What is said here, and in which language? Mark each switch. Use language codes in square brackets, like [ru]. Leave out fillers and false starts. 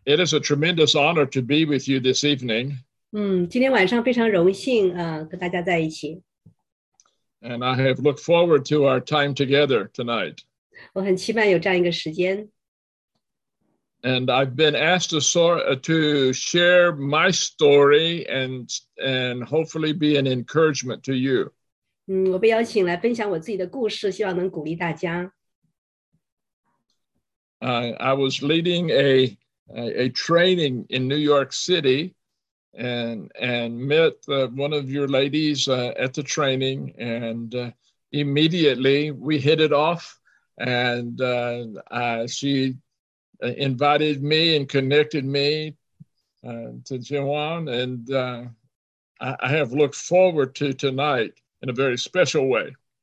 [en] It is a tremendous honor to be with you this evening. [zh] 今天晚上非常荣幸跟大家在一起。 [en] And I have looked forward to our time together tonight. [zh] 我很期盼有这样一个时间。 [en] And I've been asked to share my story and hopefully be an encouragement to you. [zh] 我被邀请来分享我自己的故事，希望能鼓励大家。 [en] I was leading a training in New York City and met one of your ladies at the training, and immediately we hit it off, and she invited me and connected me to Jiwon, and I have looked forward to tonight in a very special way.